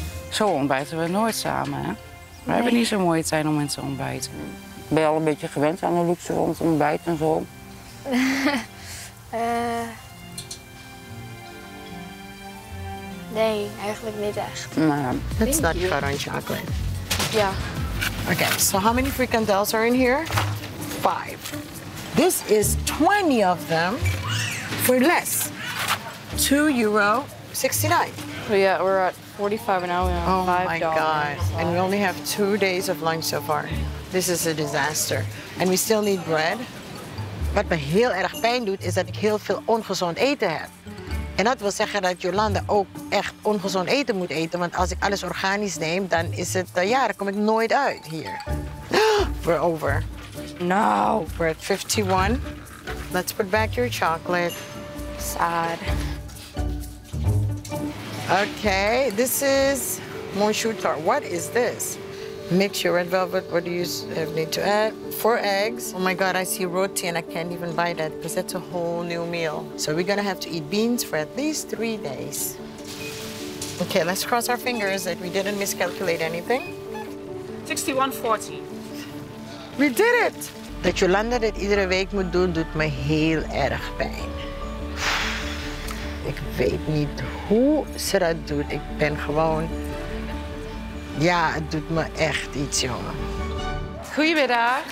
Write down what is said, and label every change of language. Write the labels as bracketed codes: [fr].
[nl] Zo ontbijten we nooit samen, hè? We nee. hebben niet zo'n mooie tijd om mensen te ontbijten. Ben je al een beetje gewend aan de luxe rond ontbijt en zo? Nee, eigenlijk niet echt. [en] Let's not cut on chocolate. Yeah. Okay, so how many frikandels are in here? 5. This is 20 of them for less. 2.69 euro. Yeah, we're at 45 now. We have $5. Oh my God. And we only have 2 days of lunch so far. This is a disaster. And we still need bread. [nl] Wat me heel erg pijn doet, is dat ik heel veel ongezond eten heb. En dat wil zeggen dat Jolanda ook echt ongezond eten moet eten. Want als ik alles organisch neem, dan is het, dan kom ik nooit uit hier. [en] We're over. No. We're at 51. Let's put back your chocolate. Sad. Okay, this is Monchou Tart. What is this? Mix your red velvet. What do you need to add? 4 eggs. Oh my God, I see roti and I can't even buy that because that's a whole new meal. So we're gonna have to eat beans for at least 3 days. Okay, let's cross our fingers that we didn't miscalculate anything. 6140. We did it! [nl] Dat Jolanda dit iedere week moet doen, doet me heel erg pijn. Ik weet niet hoe ze dat doet. Ik ben gewoon... Ja, het doet me echt iets, jongen. Goedemiddag.